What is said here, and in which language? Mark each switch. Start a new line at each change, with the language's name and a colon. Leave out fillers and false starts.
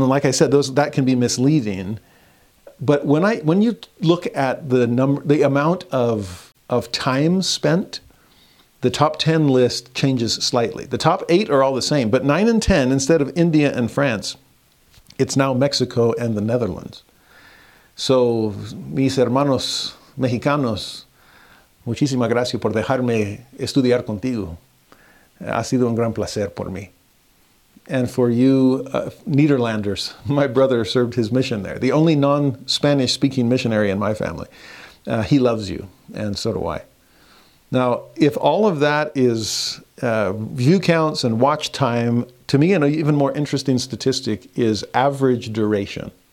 English: And like I said, that can be misleading. But when you look at the number, the amount of time spent, the top 10 list changes slightly. The top eight are all the same, but 9 and 10, instead of India and France, it's now Mexico and the Netherlands.
Spanish: So, mis hermanos mexicanos, muchísimas gracias por dejarme estudiar contigo. Ha sido un gran placer por mí.
English: And for you Nederlanders, my brother served his mission there, the only non-Spanish speaking missionary in my family. He loves you, and so do I. Now, if all of that is view counts and watch time, to me an even more interesting statistic is average duration.